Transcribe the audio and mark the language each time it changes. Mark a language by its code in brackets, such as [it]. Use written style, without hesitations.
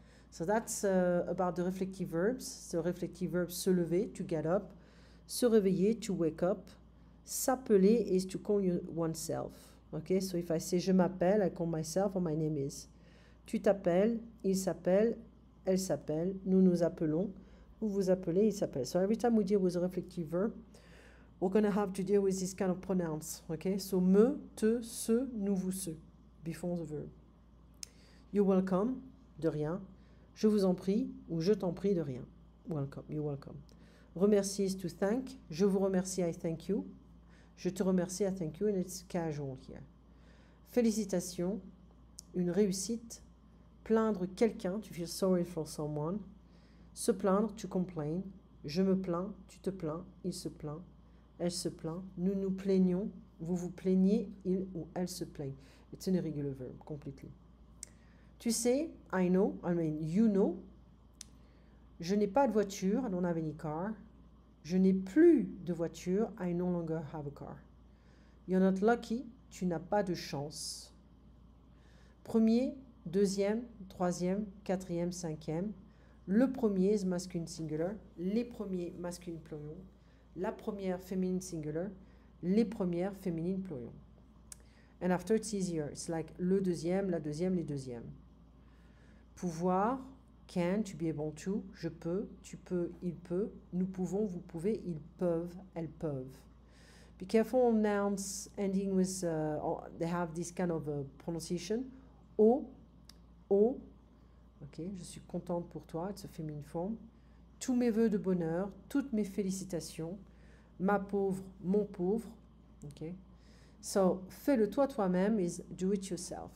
[en] So that's about the reflective verbs. So reflective verbs, se lever, to get up. Se réveiller, to wake up. S'appeler is to call you oneself. Okay, so if I say [fr] je m'appelle, [en] I call myself or my name is. [fr] Tu t'appelles, il s'appelle, elle s'appelle, nous nous appelons, vous vous appelez, il s'appelle. [en] So every time we deal with a reflective verb, we're going to have to deal with this kind of pronouns. Okay, so me, te, ce, nous, vous, ce, before the verb. You're welcome, de rien. [fr] Je vous en prie ou je t'en prie, de rien. [en] Welcome, you're welcome. Remercier is to thank. [fr] Je vous remercie, [en] I thank you. [fr] Je te remercie, [en] I thank you, and it's casual here. [fr] Félicitations, une réussite. Plaindre quelqu'un, [en] to feel sorry for someone. [fr] Se plaindre, to complain. Je me plains, tu te plains, il se plaint, elle se plaint. Nous nous plaignons, vous vous plaignez, il ou elle se plaint. [en] It's an irregular verb, completely. [fr] Tu sais, [en] I know, I mean, you know. [fr] Je n'ai pas de voiture, [en] I don't have any car. [fr] Je n'ai plus de voiture, [en] I no longer have a car. You're not lucky, [fr] tu n'as pas de chance. Premier, deuxième, troisième, quatrième, cinquième. [en] Le premier is masculine singular. Les premiers masculine pluriel. La première féminine singular. Les premières féminine pluriel. And after it's easier. It's like [fr] le deuxième, la deuxième, les deuxièmes. Pouvoir. Can, to be able to, je peux, tu peux, il peut, nous pouvons, vous pouvez, ils peuvent, elles peuvent. [en] Be careful on nouns ending with, they have this kind of a pronunciation. O, [fr] Okay, je suis contente pour toi, [en] it's a feminine form. [fr] Tous mes voeux de bonheur, toutes mes félicitations, ma pauvre, mon pauvre. Okay. [en] So, [fr] fais-le toi-même [en] is do it yourself.